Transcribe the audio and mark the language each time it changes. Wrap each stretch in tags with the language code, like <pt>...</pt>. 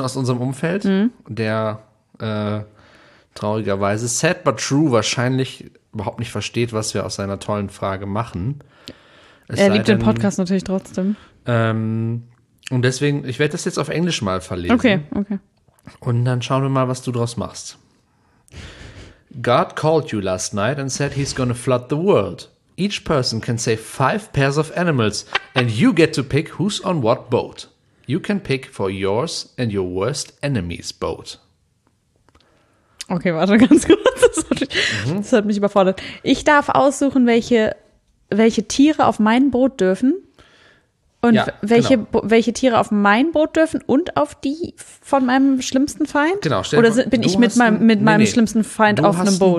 <de>aus unserem Umfeld, der traurigerweise</de> <en>sad but true</en> <de>wahrscheinlich überhaupt nicht versteht, was wir aus seiner tollen Frage machen. Er liebt den Podcast natürlich trotzdem. Und deswegen, ich werde das jetzt auf Englisch mal verlesen. Okay. Und dann schauen wir mal, was du draus machst.</de> <en>God called you last night and said he's gonna flood the world. Each person can save 5 pairs of animals and you get to pick who's on what boat. You can pick for yours and your worst enemy's boat.</en> <de>Okay, warte ganz kurz. Das hat mich überfordert. Ich darf aussuchen, welche Tiere auf mein Boot dürfen und welche Tiere auf mein Boot dürfen und auf die von meinem schlimmsten Feind? Genau, oder bin ich mit meinem schlimmsten Feind auf einem Boot?</de>